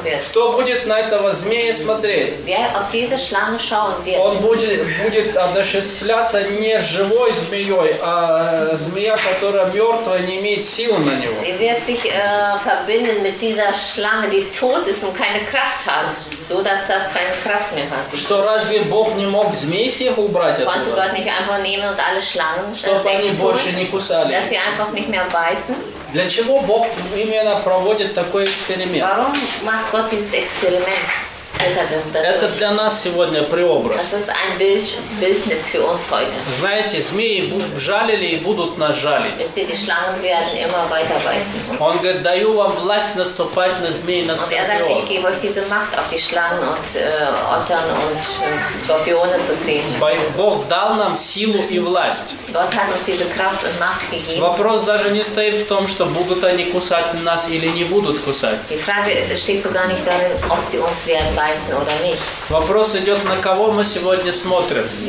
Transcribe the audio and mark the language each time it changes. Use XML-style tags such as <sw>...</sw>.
<ru>Кто будет на этого змея смотреть? Он будет одушевляться не живой змеей, а змея, которая мертвая, не имеет силы на него.</ru> <de>Keine Kraft hat, so dass das keine Kraft mehr hat.</de> <ru>Что разве Бог не мог змей всех убрать оттуда?</ru> <de>Konnte Gott nicht einfach nehmen und alle Schlangen wegtun, dass sie einfach nicht mehr beißen?</de> <ru>Для чего Бог именно проводит такой эксперимент?</ru> <de>Warum macht Gott dieses Experiment?</de> <ru>Это для нас сегодня преобраз.</ru> <de>Das ist ein Bildnis für uns heute.</de> <ru>Знаете, змеи жалили и будут нас жалить.</ru> <de>Wisst ihr, die Schlangen werden immer weiter beißen.</de> <ru>Он говорит, даю вам власть наступать на змеи и на скорпионы.</ru> <de>Und er sagt, ich gebe euch diese Macht auf die Schlangen und Ottern und Skorpione zu kriegen.</de> <ru>Бог дал нам силу и власть.</ru> <de>Gott hat uns diese Kraft und Macht gegeben.</de> <ru>Вопрос даже не стоит в том, что будут они кусать нас или не будут кусать.</ru> <de>Die Frage steht sogar nicht darin, ob sie uns werden.</de> <ru>Вопрос идет, на кого мы сегодня смотрим.</ru>